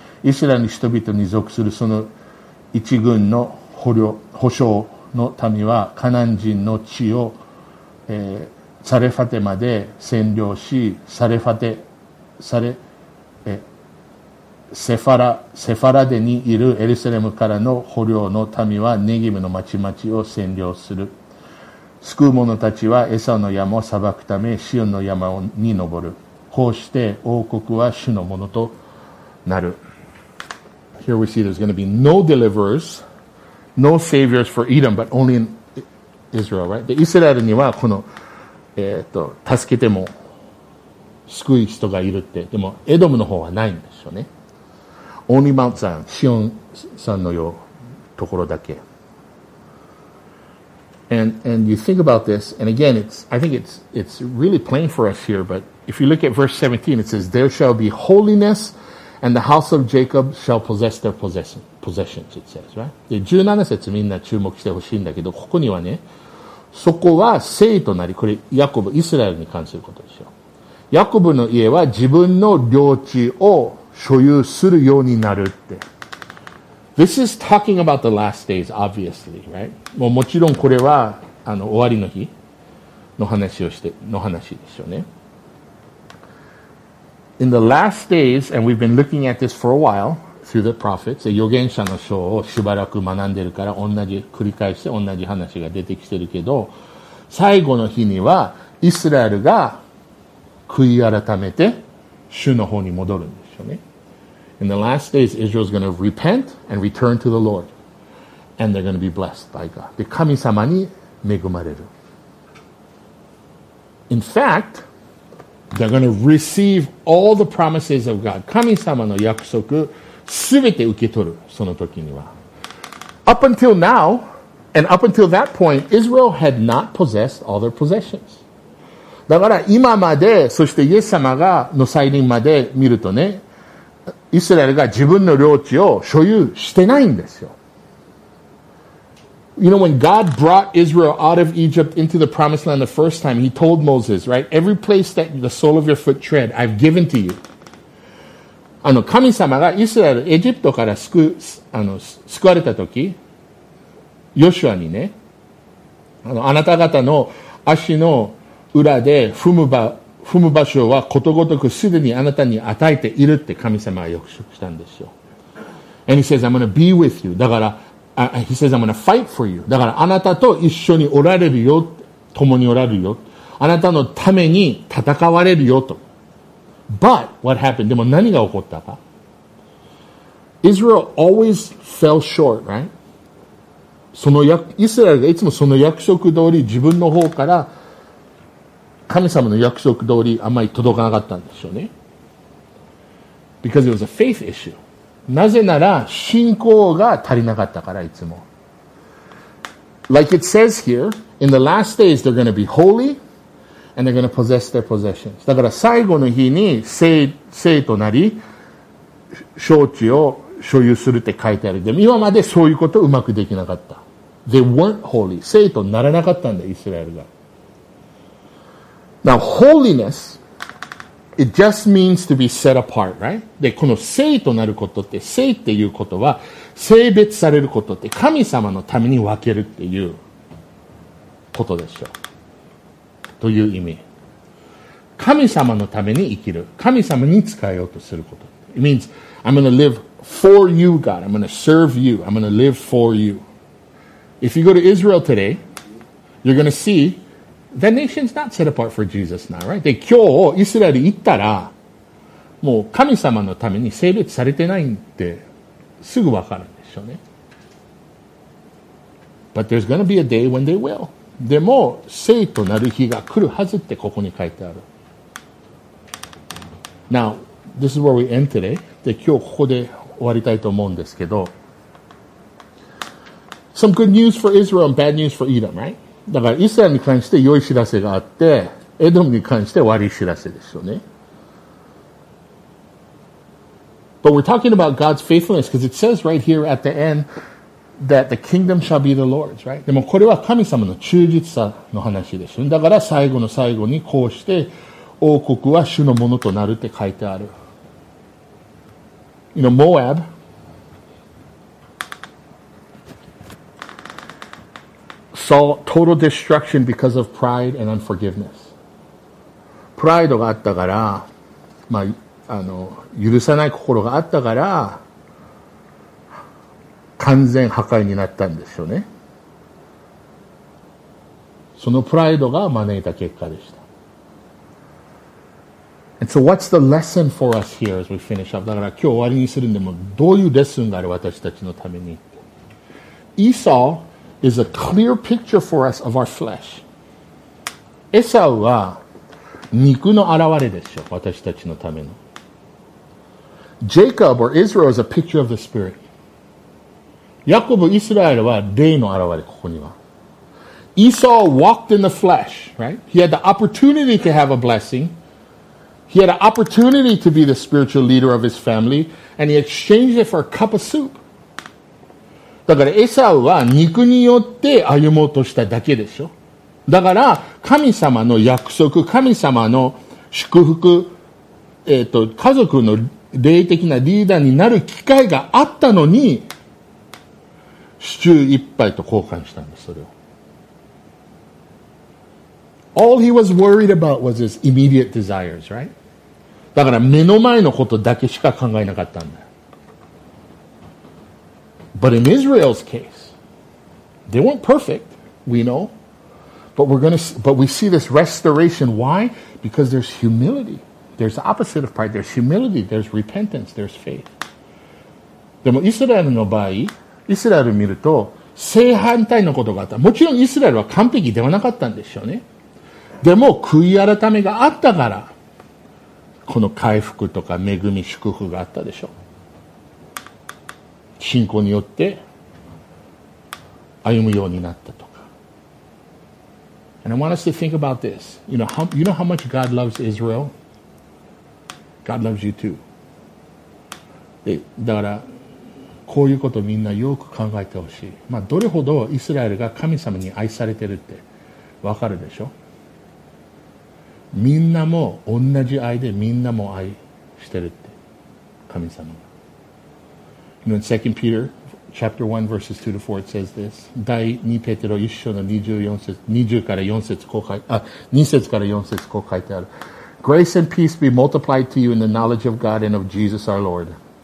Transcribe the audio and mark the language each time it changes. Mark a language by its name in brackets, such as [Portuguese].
[Japanese] イスラエルの人々に属するその一軍の捕虜、の民はカナン人の地を、サレファテまで占領し、セファラデにいるエルサレムからの捕虜の民はネギムの町々を占領する。救う者たちはエサの山を裁くためシオンの山に登る。こうして王国は主のものとなる。 [English] Here we see there's going to be no deliverers. No saviors for Edom, but only in Israel, right? [Japanese] で、イスラエルにはこの、助けても救い人がいるって。でも、エドムの方はないんですよね。 [English] Only Mount Zion, [Japanese] シオンさんのようところだけ。 [English] And you think about this, and again, I think it's really plain for us here, but if you look at verse 17, it says, There shall be holiness, and the house of Jacob shall possess their possession. Possessions, it says, right? [Japanese] で17節みんな注目してほしいんだけど、ここにはね、そこは聖となり、これヤコブ、イスラエルに関することでしょう。ヤコブの家は自分の領地を所有するようになるって。 [English] This is talking about the last days, obviously, right? [Japanese] もうもちろんこれは終わりの日の話をしての話でしょうね。 [English] In the last days, and we've been looking at this for a while,Through the prophets, [Japanese] 預言者の書をしばらく学んでるから同じ繰り返して同じ話が出てきてるけど、最後の日にはイスラエルが悔い改めて主の方に戻るんですよね。 [English] In the last days, Israel is going to repent and return to the Lord, and they're going to be blessed by God. [Japanese] で神様に恵まれる。 [English] In fact, they're going to receive all the promises of God. [Japanese] 神様の約束全て受け取る、その時には。 [English] Up until now, and up until that point, Israel had not possessed all their possessions. [Japanese] だから今まで、そしてイエス様がの再臨まで見るとね、イスラエルが自分の領地を所有してないんですよ。 [English] You know, when God brought Israel out of Egypt into the promised land the first time, he told Moses, right, every place that the sole of your foot tread, I've given to you. [Japanese] 神様がイスラエル、エジプトから救われたとき、ヨシュアにね、あなた方の足の裏で踏む場、踏む場所はことごとくすでにあなたに与えているって神様は約束したんですよ。 [English] And he says, I'm gonna be with you. [Japanese] だから、 [English] he says, I'm gonna fight for you. [Japanese] だからあなたと一緒におられるよ。共におられるよ。あなたのために戦われるよと。 [English] But what happened? [Japanese] でも何が起こったか [English] ?Israel always fell short, right? [Japanese] そのイスラエルがいつもその約束通り自分の方から神様の約束通りあまり届かなかったんでしょうね。 [English] Because it was a faith issue. [Japanese] なぜなら信仰が足りなかったからいつも。 [English] Like it says here, in the last days they're going to be holy and they're going to possess their possessions. [Japanese] だから最後の日に聖となり、聖地を所有するって書いてある。でも今までそういうことをうまくできなかった。 [English] They weren't holy. [Japanese] 聖とならなかったんだ、イスラエルが。 [English] Now, holiness, it just means to be set apart, right? [Japanese] で、この聖となることって、聖っていうことは、性別されることって、神様のために分けるっていうことでしょう。という意味。神様のために生きる。神様に使えようとすること。 [English] It means, I'm gonna live for you, God. I'm gonna serve you. I'm gonna live for you. If you go to Israel today, you're gonna see,The nation's not set apart for Jesus now, right? [Japanese] で、今日、イスラエル行ったら、もう神様のために性別されてないって、すぐわかるんでしょうね。 [English] But there's gonna be a day when they will. [Japanese] でも、聖となる日が来るはずってここに書いてある。 [English] Now, this is where we end today. [Japanese] で、今日ここで終わりたいと思うんですけど、 [English] Some good news for Israel and bad news for Edom, right? [Japanese] だから、イスラエルに関して良い知らせがあって、エドムに関して悪い知らせですよね。 [English] But we're talking about God's faithfulness, because it says right here at the end that the kingdom shall be the Lord's, right? [Japanese] でもこれは神様の忠実さの話ですよね。だから最後の最後にこうして、王国は主のものとなるって書いてある。 [English] You know, Moab,Saw total destruction because of pride and unforgiveness. [Japanese] プライドがあったから、まあ、許さない心があったから、完全破壊になったんですよね。そのプライドが招いた結果でした。 [English] And so what's the lesson for us here as we finish up? [Japanese] だから今日終わりにするんでも、どういうレッスンがある私たちのために。 [English] Esau,is a clear picture for us of our flesh. [Japanese] エサウは肉の現れでしょ、私たちのための。 [English] Jacob or Israel is a picture of the spirit. [Japanese] ヤコブ、イスラエルは霊の現れ、ここには。 [English] Esau walked in the flesh, right? He had the opportunity to have a blessing. He had an opportunity to be the spiritual leader of his family, and he exchanged it for a cup of soup. [Japanese] だからエサウは肉によって歩もうとしただけでしょ。だから神様の約束、神様の祝福、家族の霊的なリーダーになる機会があったのに、シチュー一杯と交換したんです、それを。 [English] All he was worried about was his immediate desires, right? [Japanese] だから目の前のことだけしか考えなかったんだ。 [English] But in Israel's case, they weren't perfect, we know. But we see this restoration. Why? Because there's humility. There's the opposite of pride. There's humility. There's repentance. There's faith. [Japanese] でもイスラエルの場合、イスラエル見ると、正反対のことがあった。もちろんイスラエルは完璧ではなかったんでしょうね。でも悔い改めがあったから、この回復とか恵み、祝福があったでしょう。信仰によって歩むようになったとか。 [English] And I want us to think about this. You know how much God loves Israel? God loves you too. [Japanese] で、だから、こういうことをみんなよく考えてほしい。まあ、どれほどイスラエルが神様に愛されてるってわかるでしょ？みんなも同じ愛でみんなも愛してるって。神様が。 [English] In 2 Peter chapter 1 verses 2 to 4 it says this. [Japanese] 第2ペテロ1章の24節、20から4節こう書い、あ、2節から4節こう書いてある。 [English] Grace and peace be multiplied to you in the knowledge of God and of Jesus our Lord.